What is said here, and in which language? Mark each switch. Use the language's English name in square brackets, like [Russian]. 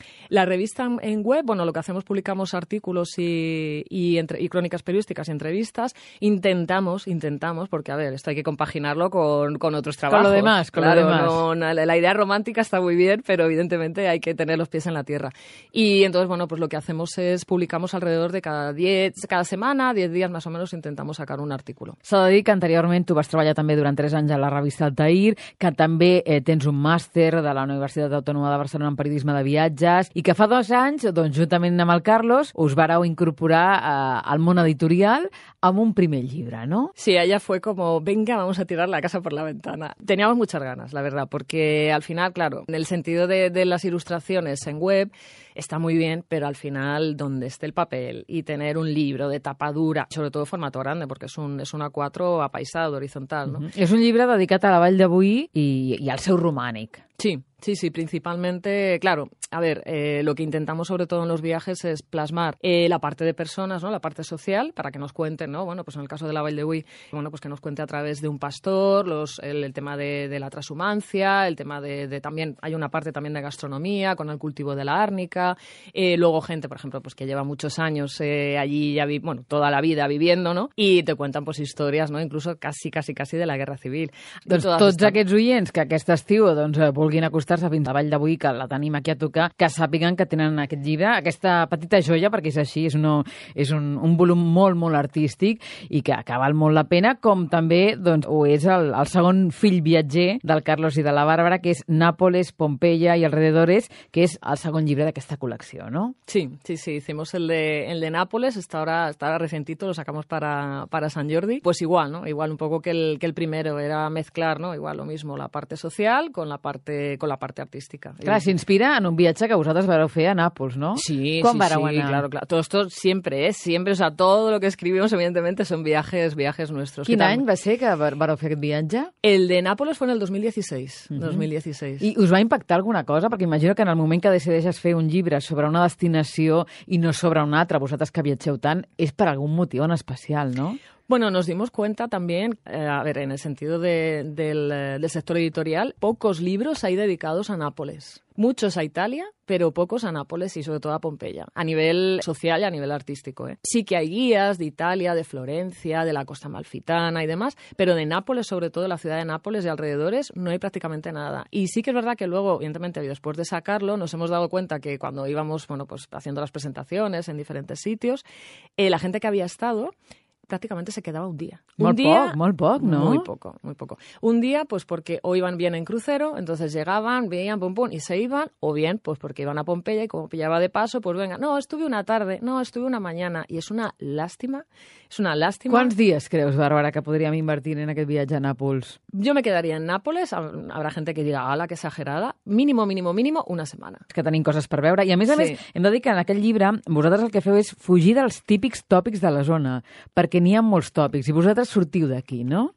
[Spanish] La revista en web, bueno, lo que hacemos, publicamos artículos y crónicas periodísticas y entrevistas, intentamos, porque a ver, esto hay que compaginarlo con otros trabajos. Con lo demás. No, la idea romántica está muy bien, pero evidentemente hay que tener los pies en la tierra. Y entonces, bueno, pues lo que hacemos es publicamos alrededor de cada 10 días más o menos intentamos sacar un artículo. [Catalan] S'ha de dir que anteriorment tu vas treballar també durant 3 anys a la revista Altair, que també tens un màster de la Universitat Autònoma de Barcelona en periodisme de viatges, i que fa 2 anys, doncs, juntament amb el Carlos, us vareu incorporar al món editorial amb un primer llibre, no? [Spanish] Sí, allà fue como, venga, vamos a tirar la casa por la ventana. Teníamos muchas ganas, la verdad, porque al final, claro, en el sentido de las ilustraciones en web, está muy bien, pero al final, donde esté el papel y tener un libro de tapa dura, sobre todo formato grande, porque es un A4 apaisado, horizontal, ¿no? Uh-huh. [Catalan] És un llibre dedicat a la Vall d'Avui i al seu romànic. [Spanish] Sí, principalmente, claro, a ver, lo que intentamos sobre todo en los viajes es plasmar la parte de personas, ¿no? La parte social, para que nos cuenten, ¿no? Bueno, pues en el caso de la Vall d'Avui, bueno, pues que nos cuente a través de un pastor, el tema de la transhumancia, el tema de también, hay una parte también de gastronomía con el cultivo de la árnica, luego gente, por ejemplo, pues que lleva muchos años allí, toda la vida viviendo, ¿no? Y te cuentan pues historias, ¿no? Incluso casi de la Guerra Civil. [Catalan] Doncs tots aquests oients que aquest estiu, doncs, vulguin acostar-se fins a Vall d'Avui, que la tenim aquí a tocar, que sàpiguen que tenen aquest llibre, aquesta petita joia, perquè és així, és un volum molt, molt artístic i que acaba molt la pena, com també doncs, ho és el segon fill viatger del Carlos i de la Bàrbara, que és Nàpoles, Pompeia i alrededores, que és el segon llibre d'aquesta col·lecció, no? [Spanish] Sí, hicimos el de Nàpoles, está ahora recentito, lo sacamos para Sant Jordi, pues igual, ¿no? Igual un poco que el primero, era mezclar, ¿no? Igual lo mismo, la parte social con la parte artística. [Catalan] Clar, s'inspira en un viatge que vosaltres vareu fer a Nàpols, no? [Spanish] Sí, claro. Todo esto siempre, siempre, o sea, todo lo que escribimos, evidentemente, son viajes nuestros. [Catalan] Quin any va ser que vareu fer aquest viatge? [Spanish] El de Nàpols fue en el 2016. Uh-huh. 2016. [Catalan] I us va impactar alguna cosa? Perquè imagino que en el moment que decideixes fer un llibre sobre una destinació i no sobre una altra, vosaltres que viatgeu tant, és per algun motiu en especial, no? [Spanish] Bueno, nos dimos cuenta también, en el sentido del sector editorial, pocos libros hay dedicados a Nápoles. Muchos a Italia, pero pocos a Nápoles y sobre todo a Pompeya, a nivel social y a nivel artístico. Sí que hay guías de Italia, de Florencia, de la Costa Amalfitana y demás, pero de Nápoles, sobre todo la ciudad de Nápoles y alrededores, no hay prácticamente nada. Y sí que es verdad que luego, evidentemente, después de sacarlo, nos hemos dado cuenta que cuando íbamos haciendo las presentaciones en diferentes sitios, la gente que había estado prácticamente se quedaba un día. Muy poco. Un día, pues porque o iban bien en crucero, entonces llegaban, veían, pum, pum, y se iban, o bien, pues porque iban a Pompeya y como pillaba de paso, pues venga, no, estuve una tarde, no, estuve una mañana, y es una lástima. ¿Cuántos días crees, [Catalan] Bárbara, que podríem invertir en aquest viatge a Nápoles? [Spanish] Yo me quedaría en Nápoles, habrá gente que diga, ala, que exagerada, mínimo, una semana. [Catalan] Es que tenim coses per veure, i a més, hem de dir que en aquest llibre, vosaltres el que feu és fugir dels típics tòpics de la zona, perquè tenían molts tòpics i vosaltres sortiu d'aquí, no?